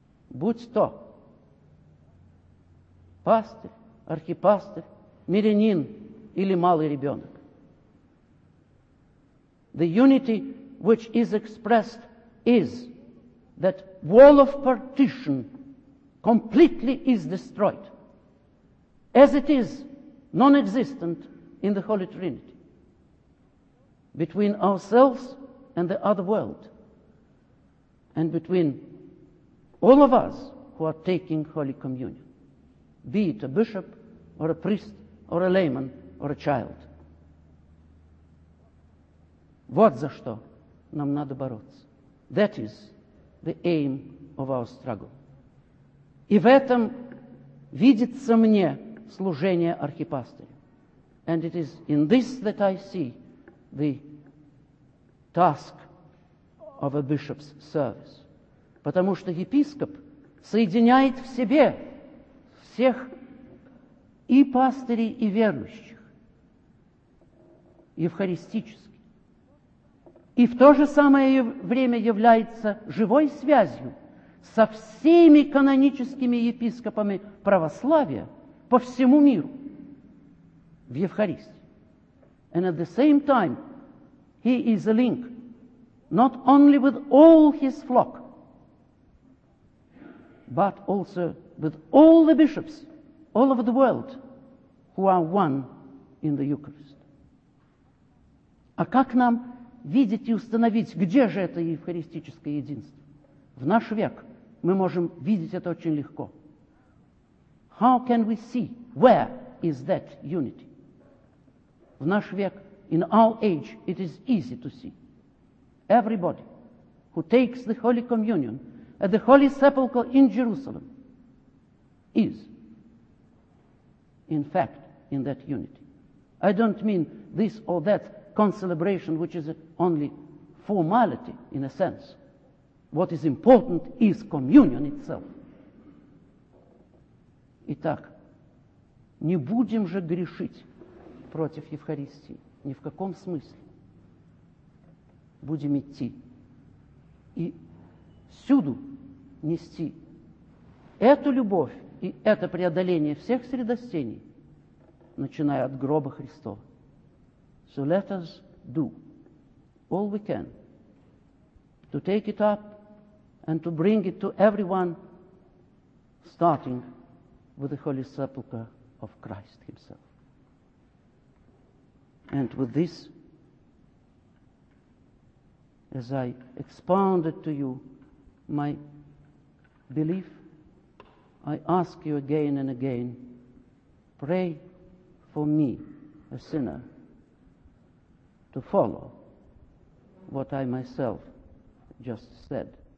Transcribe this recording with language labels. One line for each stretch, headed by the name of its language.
Russian: Будь то пастырь, архипастырь, мирянин или малый ребенок.
English: The unity which is expressed is that wall of partition completely is destroyed, as it is non-existent in the Holy Trinity, between ourselves and the other world, and between all of us who are taking Holy Communion, be it a bishop, or a priest, or a layman, or a child.
Russian: Вот за что нам надо бороться.
English: That is the aim of our struggle.
Russian: И в этом видится мне служение архипастыря.
English: And it is in this that I see the task of a bishop's service.
Russian: Потому что епископ соединяет в себе всех и пастырей, и верующих, евхаристически. И в то же самое время является живой связью со всеми каноническими епископами православия по всему миру в Евхаристии.
English: And at the same time, he is a link not only with all his flock, but also with all the bishops all over the world who are one in the Eucharist.
Russian: А как нам видеть и установить, где же это евхаристическое единство? В наш век мы можем видеть это очень легко.
English: How can we see where is that unity?
Russian: В наш век,
English: in our age, it is easy to see. Everybody who takes the Holy Communion at the Holy Sepulchre in Jerusalem is, in fact, in that unity. I don't mean this or that concelebration, which is only formality in a sense. What is important is communion itself.
Russian: Итак, не будем же грешить против Евхаристии ни в каком смысле. Будем идти и всюду нести эту любовь и это преодоление всех средостений, начиная от гроба Христова.
English: So let us do all we can to take it up and to bring it to everyone, starting with the Holy Sepulchre of Christ himself. And with this, as I expounded to you my belief, I ask you again and again, pray for me, a sinner, to follow what I myself just said.